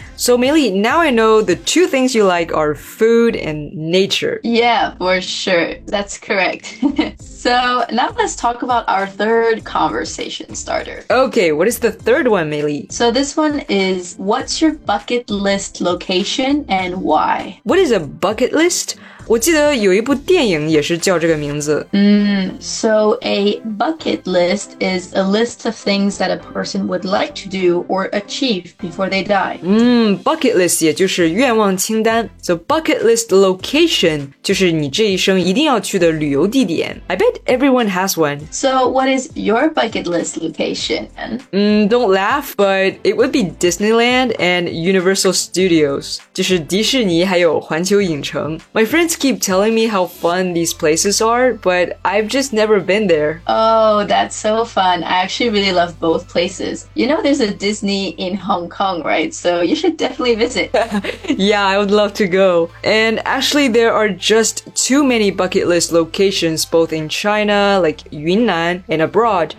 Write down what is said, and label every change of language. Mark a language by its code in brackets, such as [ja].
[en] So Meili, now I know the two things you like are food and nature. Yeah, for sure. That's correct. So now let's talk about our third conversation starter. Okay, what is the third one, Meili? So this one is, what's your bucket list location and why? What is a bucket list? [zh] 我记得有一部电影也是叫这个名字。 [en] So a bucket list is a list of things that a person would like to do or achieve before they die. [zh] Bucket list 也就是愿望清单。 [en] So bucket list location [zh] 就是你这一生一定要去的旅游地点。 [en] I bet everyone has one. So what is your bucket list location? Don't laugh, but it would be Disneyland and Universal Studios. [zh] 就是迪士尼还有环球影城。 [en] My friendKeep telling me how fun these places are, but I've just never been there. Oh, that's so fun. I actually really love both places. You know, there's a Disney in Hong Kong, right? So you should definitely visit. Yeah, I would love to go. And actually, there are just too many bucket list locations, both in China, like Yunnan, and abroad.